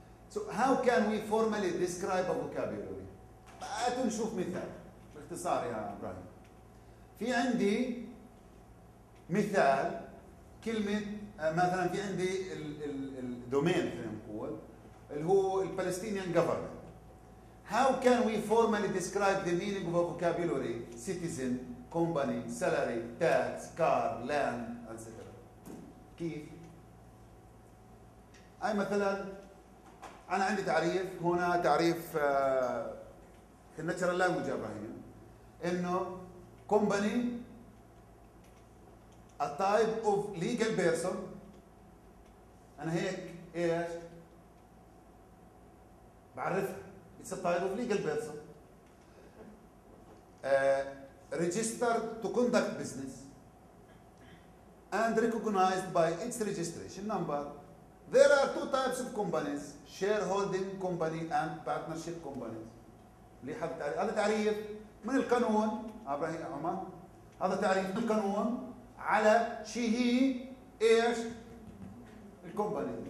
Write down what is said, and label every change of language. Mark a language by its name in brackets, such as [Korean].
[English] So how can we formally describe a vocabulary? [Arabic] تعالوا نشوف مثال باختصار يا ابراهيم. في عندي مثال كلمة، مثلا في عندي الدومين خلينا نقول اللي هو الفلسطينيان جوفرمنت. [English] How can we formally describe the meaning of a vocabulary? Citizen, company, salary, tax, car, land, etc. [Arabic] كيف؟ أي مثلا أنا عندي تعريف هنا، تعريف في الناتشرال لانجوج إبراهيم، إنه [English] company a type of legal person. [Arabic] أنا هيك إيش بعرف؟ [English] it's a type of legal person registered to conduct business and recognized by its registration number. There are two types of companies: shareholding company and partnership companies. [Arabic] ليه حد تعريف؟ هذا تعريف من القانون إبراهيم عمان، هذا تعريف من القانون على شيء هي ايش الكومباني.